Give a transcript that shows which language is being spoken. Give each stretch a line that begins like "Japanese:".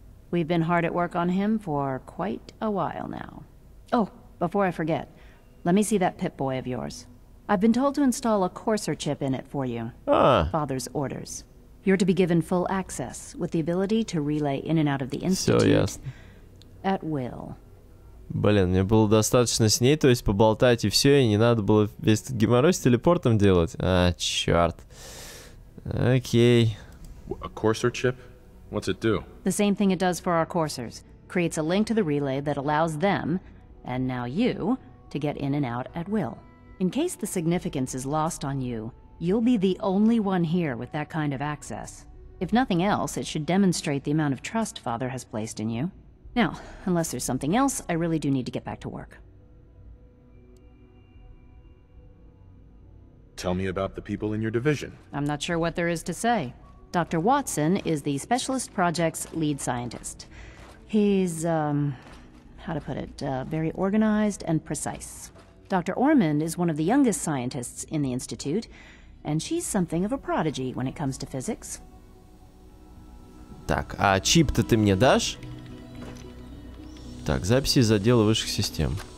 English: We've been hard at work on him for quite a while now. Oh, before I forget, let me see that Pip-Boy of yours. I've been told to install a Courser chip in it for you. Father's orders. You're to be given full access, with the ability to relay in and out of the Institute at will.
Russian: Блин, мне было достаточно с ней, то есть поболтать и все, и не надо было весь этот геморрой с телепортом делать. А, черт. Окей.
English: A Courser chip? What's it do? The same thing it does for our Coursers. Creates a link to the relay that allows them, and now you, to get in and out at will. In case the significance is lost on you, you'll be the only one here with that kind of access. If nothing else, it should demonstrate the amount of trust Father has placed in you. Now, unless there's something else, I really do need to get back to work. Tell me about the people in your division. I'm not sure what there is to say. Dr. Watson is the Specialist Project's lead scientist. He's, very organized and precise. Dr. Ormond is one of the youngest scientists in the Institute, and she's something of a prodigy when it comes to physics.
Russian: Так, а чип-то ты мне дашь? Так, записи из отдела высших систем.